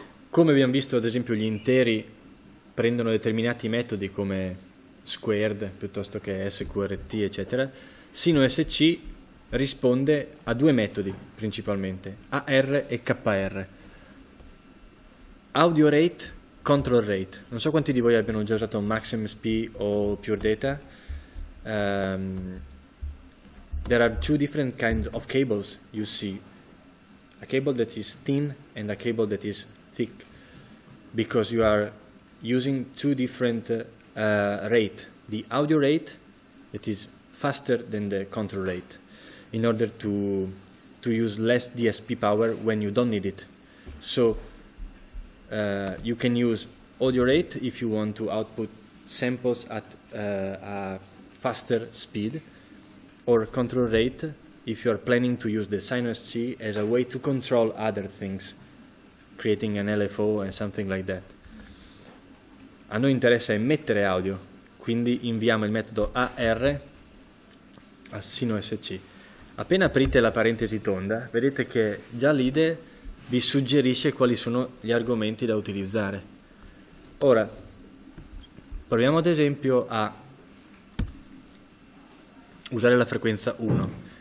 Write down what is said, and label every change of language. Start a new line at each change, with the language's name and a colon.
Italian: Come abbiamo visto, ad esempio, gli interi prendono determinati metodi come squared piuttosto che SQRT, eccetera. SinOSC risponde a due metodi principalmente, AR e KR. Audio rate, control rate. Non so quanti di voi abbiano già usato Max MSP o Pure Data.
English: There are two different kinds of cables you see. A cable that is thin and a cable that is thick, because you are using two different rate. The audio rate that is faster than the control rate, in order to use less DSP power when you don't need it. So you can use audio rate if you want to output samples at a faster speed, or control rate if you are planning to use the SinusC as a way to control other things, creating an LFO and something like that.
Italian: A noi interessa emettere audio, quindi inviamo il metodo AR a SinusC. Appena aprite la parentesi tonda, vedete che già l'IDE vi suggerisce quali sono gli argomenti da utilizzare. Ora, proviamo ad esempio a usare la frequenza 1.